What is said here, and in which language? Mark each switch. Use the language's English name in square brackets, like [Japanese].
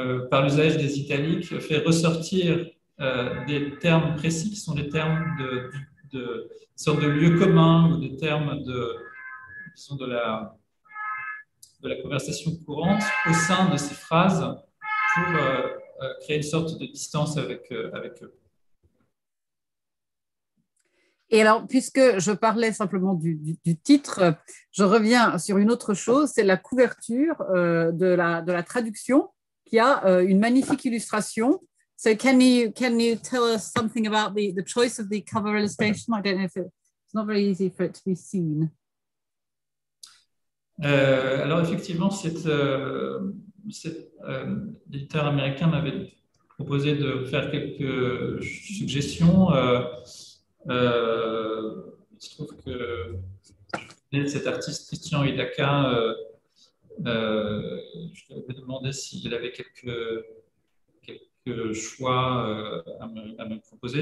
[French] par l'usage des italiques, fait ressortir des termes précis qui sont des termes de sorte de lieu commun ou des termes de la conversation courante au sein de ces phrases pour créer une sorte de distance avec eux. Et alors, puisque je parlais simplement du titre, je reviens sur une autre chose, c'est la couverture de la traduction qui a une magnifique illustration. [English] So can you tell us something about the choice of the cover illustration? I don't know if it's not very easy for it to be seen. [French] Alors effectivement, l'éditeur américain m'avait proposé de faire quelques suggestions. Il se trouve que cet artiste Christian Hidaka, je lui avais demandé s'il avait quelques choix à me proposer.